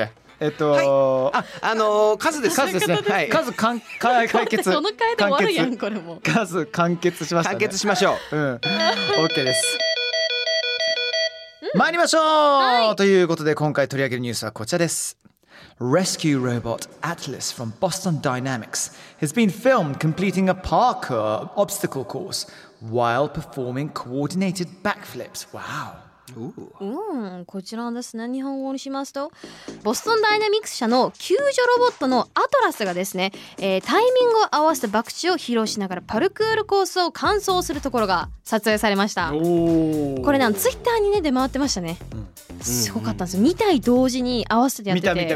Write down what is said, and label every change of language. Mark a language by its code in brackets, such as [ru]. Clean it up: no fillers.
[ja] はい、あ、数ですね。数ですね。はい、数完解決。この回で終わるやん、これも。数完結しましたね。完結しましょう。うん。OK です。参りましょう、はい、ということで、今回取り上げるニュースはこちらです。 [en] Rescue robot Atlas from Boston Dynamics has been filmed completing a parkour obstacle course while performing coordinated backflips. Wow. [ja] うん、こちらですね、日本語にしますとボストンダイナミクス社の救助ロボットのアトラスがですね、タイミングを合わせた爆地を披露しながらパルクールコースを完走するところが撮影されました。これね、ツイッターにね出回ってましたね、うん、すごかったんですよ、うんうん、2体同時に合わせてやってて、